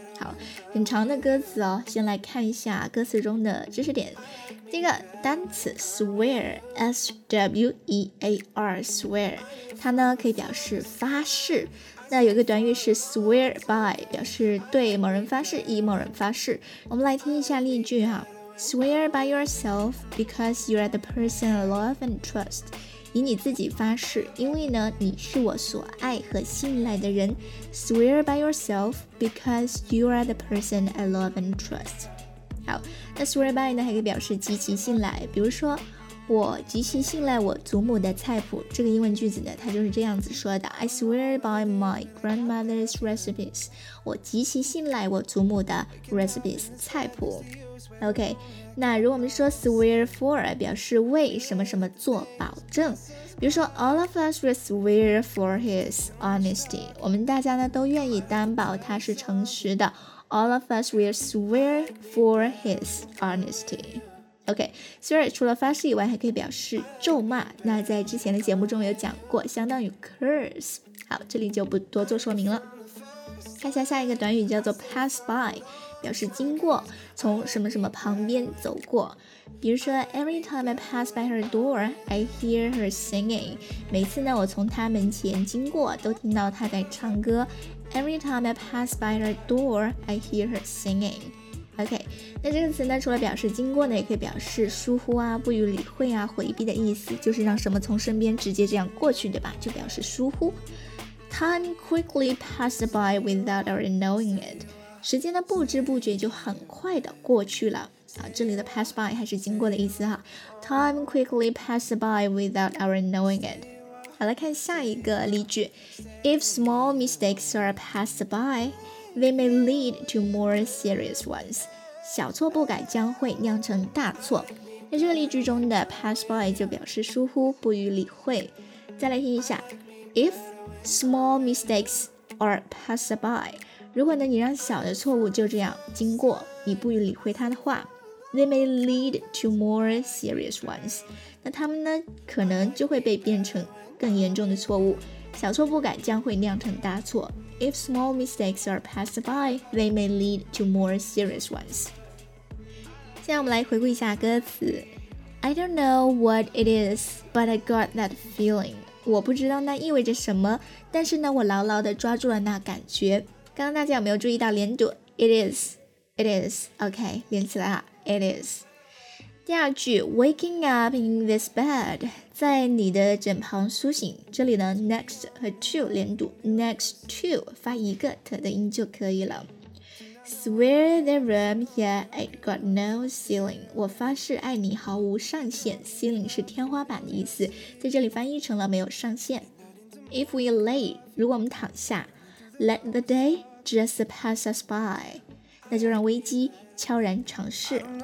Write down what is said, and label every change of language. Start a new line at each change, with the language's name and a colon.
Chinese: 好，很长的歌词哦，先来看一下歌词中的知识点。这个单词 swear, S-W-E-A-R, swear, 它呢可以表示发誓。那有一个短语是 swear by， 表示对某人发誓，以某人发誓。我们来听一下例句哈。
English: Swear by yourself because you are the person I love and trust，
Chinese: 以你自己发誓，因为呢你是我所爱和信赖的人。
English: Swear by yourself because you are the person I love and trust。
Chinese: 好，那 swear by 呢还可以表示极其信赖，比如说我极其信赖我祖母的菜谱，这个英文句子呢它就是这样子说的。
English: I swear by my grandmother's recipes，
Chinese: 我极其信赖我祖母的 recipes 菜谱。 OK， 那如果我们说 swear for 表示为什么什么做保证，比如说
English: All of us will swear for his honesty，
Chinese: 我们大家呢都愿意担保他是诚实的。
English: All of us will swear for his honestyOK，
Chinese: swear 除了发誓以外还可以表示咒骂，那在之前的节目中有讲过，相当于 curse。好，这里就不多做说明了。看一下下一个短语叫做 pass by， 表示经过，从什么什么旁边走过。比如说
English: Every time I pass by her door I hear her singing，
Chinese: 每次呢我从她门前经过都听到她在唱歌。
English: Every time I pass by her door I hear her singingOK，
Chinese: 那这个词呢除了表示经过呢也可以表示疏忽啊，不予理会啊，回避的意思，就是让什么从身边直接这样过去，对吧，就表示疏忽。
English: Time quickly passed by without our knowing it，
Chinese: 时间呢不知不觉就很快的过去了。这里的 pass by 还是经过的意思哈。
English: Time quickly passed by without our knowing it。
Chinese: 好，来看下一个例句。
English: If small mistakes are passed byThey may lead to more serious ones.
Chinese: 小错不改将会酿成大错。那这个例句中的 pass by 就表示疏忽，不予理会。再来听一下。
English: If small mistakes are passed by,
Chinese: 如果呢你让小的错误就这样经过，你不予理会它的话，
English: They may lead to more serious ones.
Chinese: 那他们呢可能就会被变成更严重的错误。小错不改将会酿成大错。
English: If small mistakes are passed by, they may lead to more serious ones.
Chinese: 现在我们来回顾一下歌词。
English: I don't know what it is, but I got that feeling.
Chinese: 我不知道那意味着什么，但是呢，我牢牢地抓住了那感觉。刚刚大家有没有注意到连读 ？
English: It is, it is.
Chinese: OK， 连起来啊 ，It is。第二句 ，
English: Waking up in this bed，
Chinese: 在你的枕旁苏醒。这里呢 ，next 和 to 连读 ，next to 发一个 t 的音就可以了。
English: Swear the room, yeah, it got no ceiling。
Chinese: 我发誓爱你毫无上限 ，ceiling 是天花板的意思，在这里翻译成了没有上限。
English: If we lay，
Chinese: 如果我们躺下 ，
English: let the day just pass us by，
Chinese: 那就让危机悄然尝试。